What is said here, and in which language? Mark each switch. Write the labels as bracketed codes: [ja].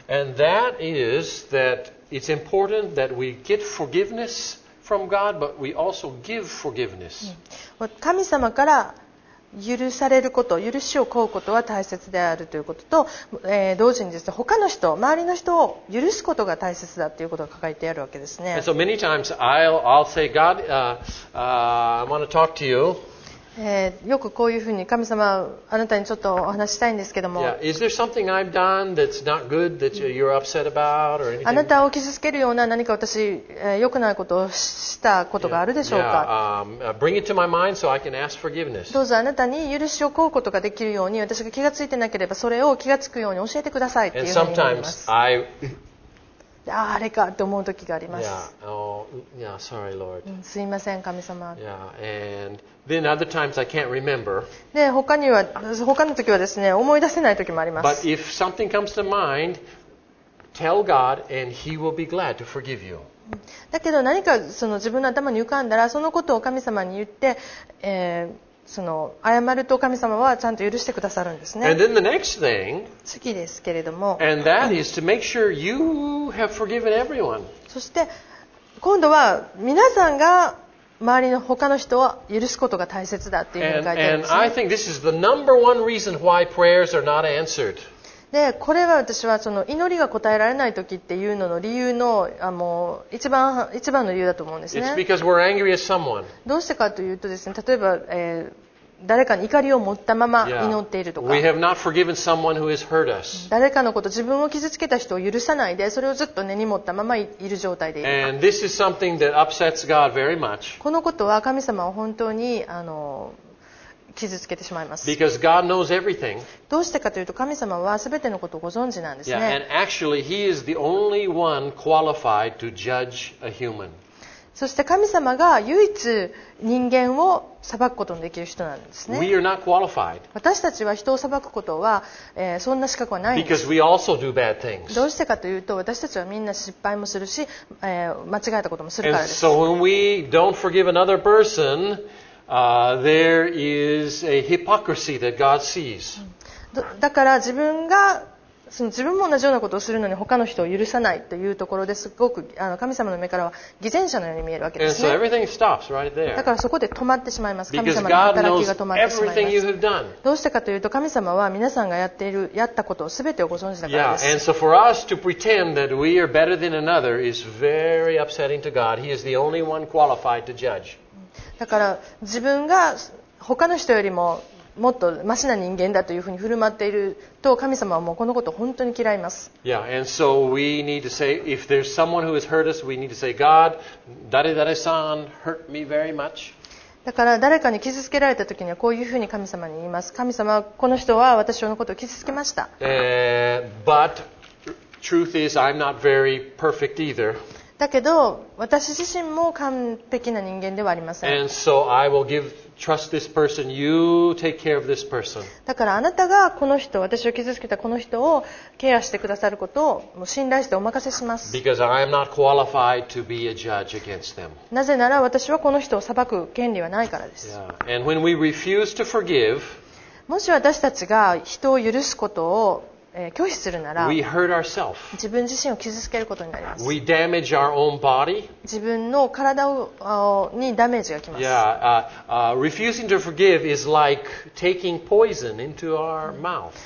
[en] And that is that it's important that we get forgiveness. From God, but we also give forgiveness. [ja] 神様から許されること、許しを請うことは大切であるということと、同時にですね、他の人、周りの人を許すことが大切だということが書いてあるわけですね。 [en] And so many times I'll say, God, I want to talk to you. [ja] よくこういうふうに神様あなたにちょっとお話したいんですけども、 [en] yeah. Is there something I've done that's not good that you're upset about or anything? [ja] あなたを傷つけるような何か私、良くないことをしたことがあるでしょうか。 [en] Bring it to my mind so I can ask forgiveness. [ja] どうぞあなたに許しを請うことができるように私が気がついてなければそれを気がつくように教えてくださいっていうふうに思います。 [en] And sometimes I [ja] あれかと思う時があります。 [en] Yeah. Oh, yeah, sorry, Lord. [ja] すいません、神様。 [en] Yeah. And then other times I can't remember. [ja] で、他の時はですね、思い出せない時もあります。 [en] But if something comes to mind, tell God and He will be glad to forgive you. [ja] だけど何かその自分の頭に浮かんだら、そのことを神様に言って、その謝ると神様はちゃんと許してくださるんですね。 [en] And then the next thing, [ja] 次ですけれども、 [en] and that is to make sure you have forgiven everyone. [ja] そして今度は皆さんが周りの他の人を許すことが大切だっていうふうに書いてあるんですね。 [en] And I think this is the number one reason why prayers are not answered. [ja] でこれは私はその祈りが答えられない時っていうのの理由の一番の理由だと思うんですね。 [en] It's because we're angry at someone. [ja] どうしてかというとですね、例えば、誰かに怒りを持ったまま祈っているとか、 [en] yeah. We have not forgiven someone who has hurt us. [ja] 誰かのこと、自分を傷つけた人を許さないで、それをずっと根に持ったままいる状態でいる。 [en] And this is something that upsets God very much. [ja] このことは神様を本当に傷つけてしまいます。 [en] Because God knows everything. [ja] どうしてかというと、神様はすべてのことをご存知なんですね。 [en] Yeah, and actually, He is the only one qualified to judge a human. [ja] そして神様が唯一人間を裁くことのできる人なんですね。 [en] We are not qualified. [ja] 私たちは人を裁くことは、そんな資格はないんです。 [en] Because we also do bad things. [ja] どうしてかというと、私たちはみんな失敗もするし、間違えたこともするからです。 [en] And so when we don't forgive another person,there is a hypocrisy that God sees. [ja] だから自分がその自分も同じようなことをするのに他の人を許さないというところですごく神様の目からは偽善者のように見えるわけですね。 [en] And so everything stops right there. [ja] だからそこで止まってしまいます。神様の働きが止まってしまいます。どうしてかというと神様は皆さんがやったことを全てをご存知だからです。 [en] Yeah. And so for us to pretend that we are better than another is very upsetting to God. He is the only one qualified to judge. [ja] だから自分が他の人よりももっとマシな人間だというふうに振る舞っていると神様はもうこのことを本当に嫌います。 [en] Yeah, and so we need to say if there's someone who has hurt us, we need to say, God, [ja] 誰々さん [en] hurt me very much. [ja] だから誰かに傷つけられた時にはこういうふうに神様に言います。神様、この人は私のことを傷つけました。 [en] But truth is, I'm not very perfect either. [ja] だけど私自身も完璧な人間ではありません。 [en] And so I will give trust this person. You take care of this person. [ja] だからあなたがこの人、私を傷つけたこの人をケアしてくださることをもう信頼してお任せします。 [en] Because I am not qualified to be a judge against them. [ja] なぜなら私はこの人を裁く権利はないからです。 [en] Yeah. And when we refuse to forgive, [ja] もし私たちが人を許すことを拒否するなら、自分自身を傷つけることになります。 [en] We damage our own body. [ja] 自分の体をにダメージがきます。 [en] Refusing to forgive is like taking poison into our mouth.